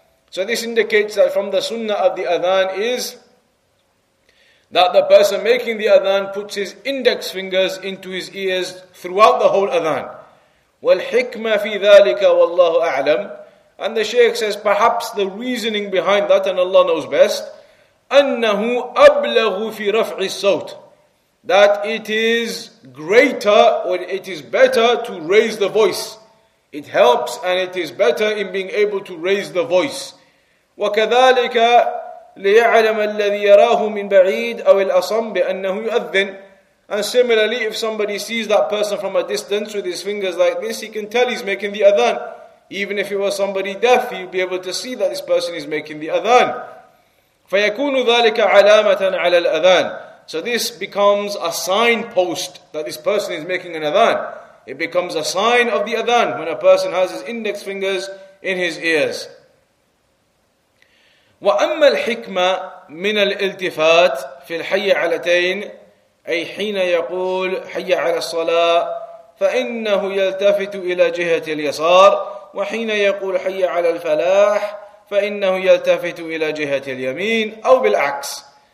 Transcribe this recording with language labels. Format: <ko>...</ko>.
<en>So this indicates that from the sunnah of the adhan is that the person making the adhan puts his index fingers into his ears throughout the whole adhan.</en> <ar>والحكمة في ذلك والله أعلم.</ar> <en>And the Shaykh says perhaps the reasoning behind that, and Allah knows best,</en> <ar>أنه أبلغ في رفع الصوت.</ar> <en>That it is greater or it is better to raise the voice. It helps and it is better in being able to raise the voice.</en> <ar>وَكَذَلِكَ لِيَعْلَمَ الَّذِي يَرَاهُ مِنْ بَعِيدٍ أَوِ الْأَصَمْ بِأَنَّهُ يُؤَذِّنْ.</ar> <en>And similarly, if somebody sees that person from a distance with his fingers like this, he can tell he's making the adhan. Even if it was somebody deaf, he'd be able to see that this person is making the adhan.</en> <ar>فَيَكُونُ ذَلِكَ عَلَامَةً عَلَى الْأَذَانِ.</ar> <en>So this becomes a signpost that this person is making an adhan. It becomes a sign of the adhan when a person has his index fingers in his ears.</en> <ar>وَأَمَّا الْحِكْمَةِ مِنَ الْإِلْتِفَاتِ فِي الْحَيَّ عَلَتَيْنِ أي حين يقول حيَّ على الصلاة فإنه يلتفت إلى جهة اليسار وحين يقول حيَّ على الفلاح فإنه يلتفت إلى جهة اليمين أو بالعكس.</ar>